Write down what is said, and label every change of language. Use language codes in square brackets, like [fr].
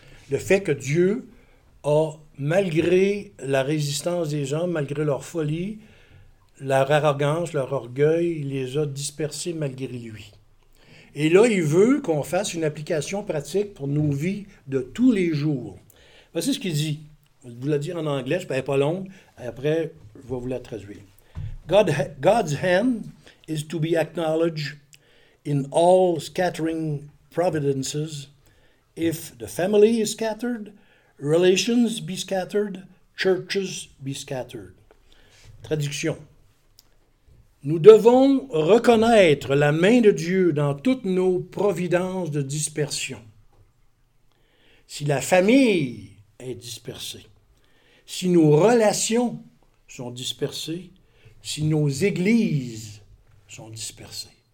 [fr] Le fait que Dieu a, malgré la résistance des hommes, malgré leur folie, leur arrogance, leur orgueil, il les a dispersés malgré lui. Et là, il veut qu'on fasse une application pratique pour nos vies de tous les jours. Voici ce qu'il dit. Je vous l'ai dit en anglais, elle n'est pas longue. Après, je vais vous la traduire. [en] God's hand is to be acknowledged in all scattering providences. If the family is scattered, relations be scattered, churches be scattered. [fr] Traduction. Nous devons reconnaître la main de Dieu dans toutes nos providences de dispersion. Si la famille est dispersée, si nos relations sont dispersées, si nos églises sont dispersées.